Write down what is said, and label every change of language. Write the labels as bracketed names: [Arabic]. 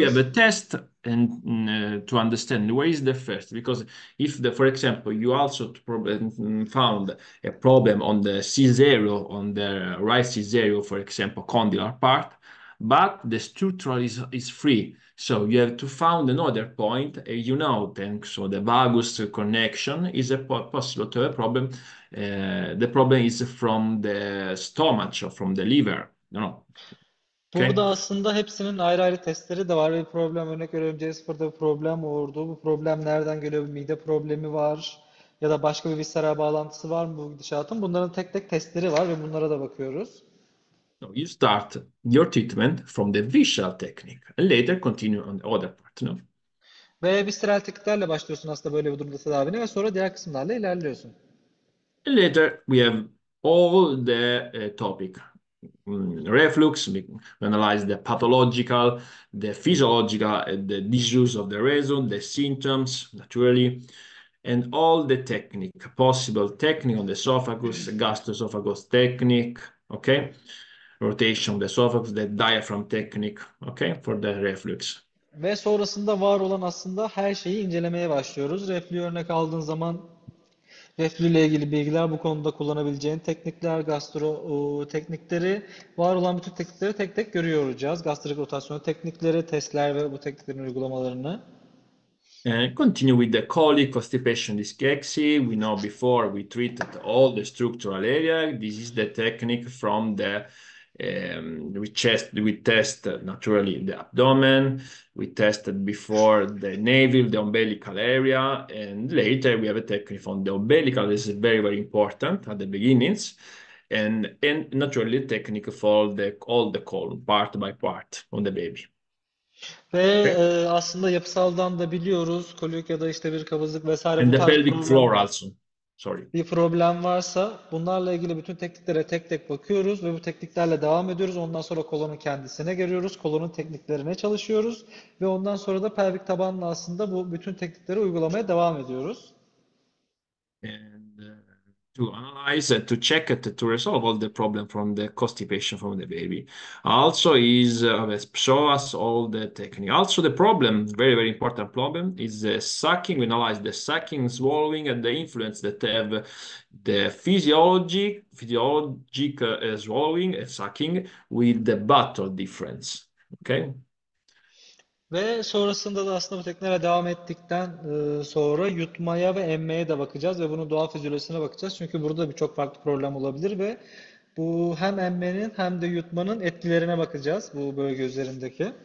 [English] We have a test and to understand where is the first, because if the, for example, you also found a problem on the caesareal, on the right caesareal, for example, condylar part, but the structural is free, so you have to find another point. You know, thanks to the vagus connection, is a possible to have a problem. The problem is from the stomach or from the liver, you know. [Turkish] Burada [English] okay. [Turkish] Aslında hepsinin ayrı ayrı testleri de var. Bir problem, örnek veriyorum, C0'da bir problem oldu. Bu problem nereden geliyor? Bir mide problemi var ya da başka bir visceral bağlantısı var mı bu gidişatın? Bunların tek tek testleri var ve bunlara da bakıyoruz. [English] So you start your treatment from the visceral technique and later continue on the other part. No? [Turkish] Ve visceral tekniklerle başlıyorsun aslında böyle bir durumda tedavine ve sonra diğer kısımlarla ilerliyorsun. [English] And later we have all the topic. reflux. We analyze the pathological, the physiological, the disuse of the reason, the symptoms, naturally, and all the technique, possible technique on the esophagus, gastroesophagus technique, okay? Rotation of the esophagus, the diaphragm technique, okay? For the reflux. [Turkish] Ve sonrasında var olan aslında her şeyi incelemeye başlıyoruz. Reflü örnek aldığın zaman reflü ile ilgili bilgiler, bu konuda kullanabileceğin teknikler, gastro teknikleri, var olan bütün teknikleri tek tek göreceğiz. Gastrik rotasyon teknikleri, testler ve bu tekniklerin uygulamalarını. [English] Continue with the colic, constipation, dyspraxia. We know before we treated all the structural area. This is the technique from the we test naturally the abdomen. We tested before the navel, the umbilical area, and later we have a technique on the umbilical. This is very, very important at the beginnings, and naturally technique for the all the colon part by part on the baby. [Turkish] Ve aslında yapısaldan da biliyoruz, kolik ya da işte bir kabızlık vesaire, bu [English] And the [Turkish] tarz [English] pelvic floor also. Sorry. [Turkish] Bir problem varsa bunlarla ilgili bütün tekniklere tek tek bakıyoruz ve bu tekniklerle devam ediyoruz. Ondan sonra kolonun kendisine geliyoruz, kolonun tekniklerine çalışıyoruz ve ondan sonra da pelvik tabanla aslında bu bütün teknikleri uygulamaya devam ediyoruz. [English] And to analyze, to check it, to resolve all the problem from the constipation from the baby. Also is show us all the technique. Also the problem, very, very important problem, is the sucking. We analyze the sucking, swallowing, and the influence that have the physiologic swallowing and sucking with the bottle difference. Okay. [Turkish] Ve sonrasında da aslında bu tekniklere devam ettikten sonra yutmaya ve emmeye de bakacağız ve bunun doğal fizyolojisine bakacağız. Çünkü burada birçok farklı problem olabilir ve bu hem emmenin hem de yutmanın etkilerine bakacağız bu bölge üzerindeki.